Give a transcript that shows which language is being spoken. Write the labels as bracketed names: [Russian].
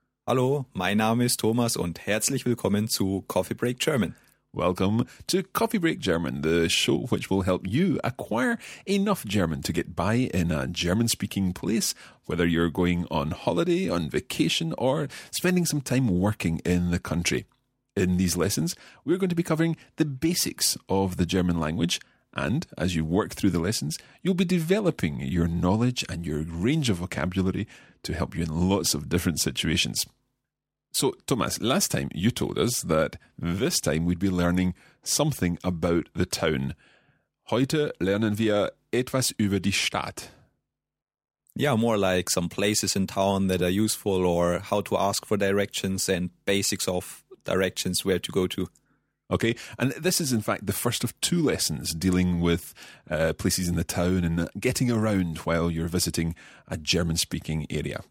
[German] Hallo, mein Name ist Thomas und herzlich willkommen zu Coffee Break German. [English] Welcome to Coffee Break German, the show which will help you acquire enough German to get by in a German-speaking place, whether you're going on holiday, on vacation, or spending some time working in the country. In these lessons, we're going to be covering the basics of the German language. And as you work through the lessons, you'll be developing your knowledge and your range of vocabulary to help you in lots of different situations. So, Thomas, last time you told us that this time we'd be learning something about the town. [German] Heute lernen wir etwas über die Stadt. [English] Yeah, more like some places in town that are useful or how to ask for directions and basics of directions where to go to. Okay, and this is in fact the first of two lessons dealing with places in the town and getting around while you're visiting a German-speaking area.